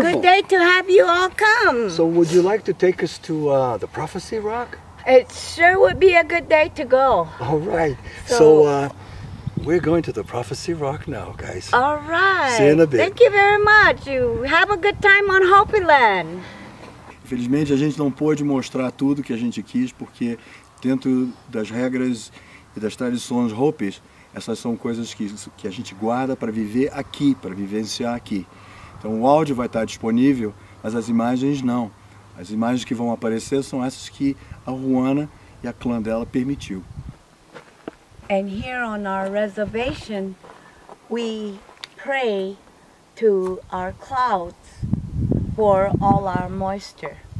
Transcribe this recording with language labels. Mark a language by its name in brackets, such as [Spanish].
[English] It's a good day to have you all come. So would you like to take us to the Prophecy Rock? It sure would be a good day to go. All right. So We're going to the Prophecy Rock now, guys. All right. See you in a bit. Thank you very much. You have a good time on Hopi Land. [Portuguese] Infelizmente, a gente não pôde mostrar tudo que a gente quis, porque dentro das regras e das tradições Hopis, essas são coisas que a gente guarda para viver aqui, para vivenciar aqui. Então, o áudio vai estar disponível, mas as imagens não. As imagens que vão aparecer são essas que a Ruana e a clã dela permitiu. [English] And here on our reservation, we pray to our clouds for all our moisture.